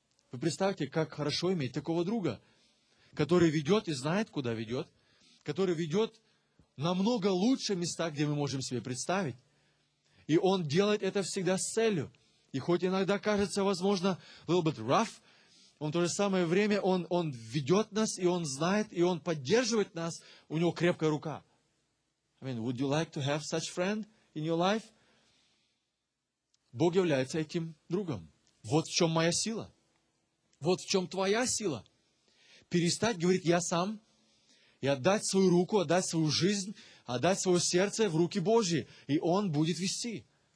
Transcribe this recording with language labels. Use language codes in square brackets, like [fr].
[ru] Вы представьте, как хорошо иметь такого друга, который ведет и знает, куда ведет, который ведет намного лучше места, где мы можем себе представить. И он делает это всегда с целью. И хоть иногда кажется, возможно, [en] a little bit rough, [ru] он в то же самое время, он ведет нас, и он знает, и он поддерживает нас. У него крепкая рука. [en] I mean, would you like to have such friend in your life? [ru] Бог является этим другом. Вот в чем моя сила. Вот в чем твоя сила. Перестать говорить «я сам» и отдать свою руку, отдать свою жизнь, отдать свое сердце в руки Божьи, и Он будет вести.